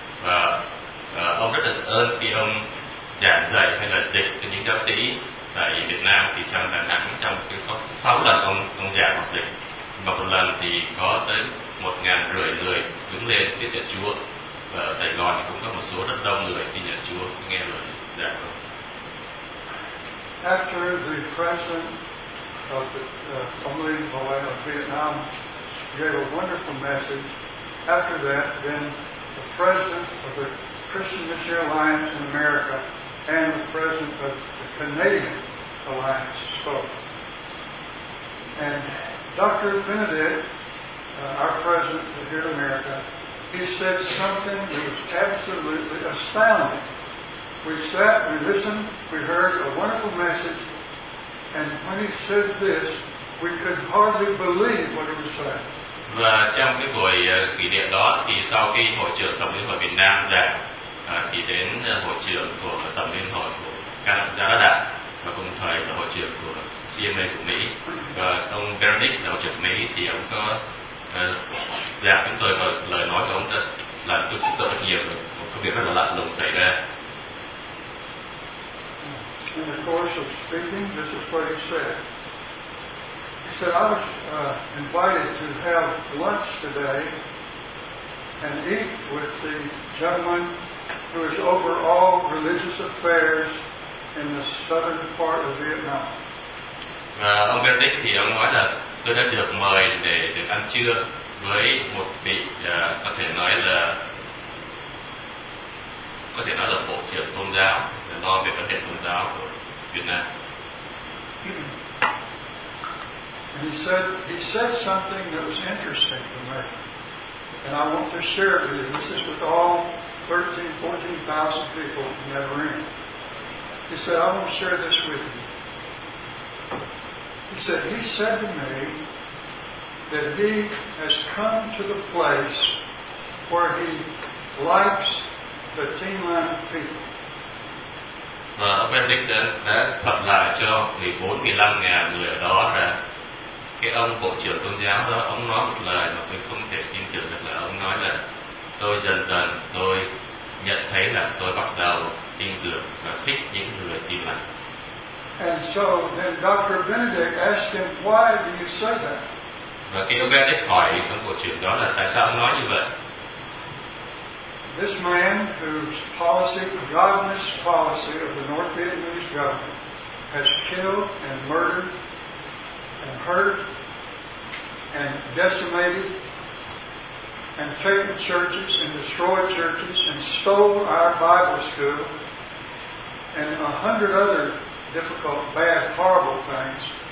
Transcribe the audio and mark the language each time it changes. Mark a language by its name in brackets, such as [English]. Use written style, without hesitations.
[Vietnamese] Và ông rất là tạ ơn khi ông giảng dạy hay là dịch cho những giáo sĩ tại Việt Nam, thì trong Đà Nẵng trong 6 lần ông giảng hoặc dịch. Và một lần thì có tới 1,500 người đứng lên tiếp nhận Chúa. Và ở Sài Gòn cũng có một số rất đông người tiếp nhận Chúa, nghe lời giảng của ông. [English] After the president of the Phong Linh Bồ Lai of Vietnam gave a wonderful message, after that, then the president of the Christian Missionary Alliance in America and the president of the Canadian Alliance spoke. And Dr. Benedict, our president here in America, he said something that was absolutely astounding. We sat, we listened, we heard a wonderful message, and when he said this, we could hardly believe what he was saying. [Vietnamese] Và trong cái buổi kỷ niệm đó, thì sau khi hội trưởng Tổng Liên hội Việt Nam giảng, thì đến hội trưởng của Tổng Liên hội của Canada và cùng thời là hội trưởng của CMA của Mỹ. Và ông Bernick là hội trưởng Mỹ, thì ông có giảng chúng tôi và lời nói của ông đã làm tôi xúc động rất nhiều, một công việc rất là lạ lùng xảy ra. [English] In the course of speaking, this is what he said. He said, I was invited to have lunch today and eat with the gentleman who is over all religious affairs in the southern part of Vietnam. [Vietnamese] Và ông Benedict thì ông nói là tôi đã được mời để được ăn trưa với một vị có thể nói là bộ trưởng tôn giáo, để lo về vấn đề tôn giáo của Việt Nam. [English] And he said something that was interesting to me, and I want to share it with you. This is with all 13,000-14,000 people in that room. He said, I want to share this with you. He said to me, that he has come to the place where he likes the Tinlan people. [Vietnamese] Và ông Benedict đã thuật lại cho 14,000-15,000 người ở đó là cái ông bộ trưởng tôn giáo đó, ông nói một lời mà tôi không thể tin tưởng được, là ông nói là tôi dần dần tôi nhận thấy là tôi bắt đầu tin tưởng và thích những người tin lành. [English] And so then Dr. Benedict asked him, why do you say that? [Vietnamese] Và khi ông Benedict hỏi ông bộ trưởng đó là tại sao ông nói như vậy? [English] This man, whose policy, godless policy of the North Vietnamese government, has killed and murdered and hurt and decimated and taken churches and destroyed churches and stole our Bible school and 100 other difficult, bad, horrible things.